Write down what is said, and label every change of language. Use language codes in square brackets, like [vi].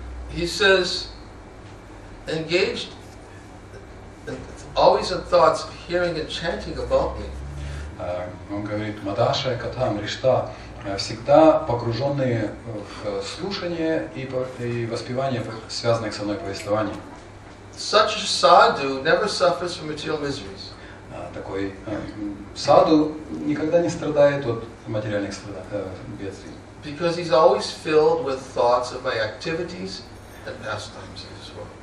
[en] He says, engaged always in thoughts, hearing and chanting about me. [ru] Он говорит, [sa] Мадашая Катам Ришта, [ru] всегда погруженные в слушание и воспевание, связанных со мной повествований. [en] Such sadhu never suffers from material miseries. [ru] Такой саду никогда не страдает от материальных бедствий. [en] Because he's always filled with thoughts of my activities and pastimes as well.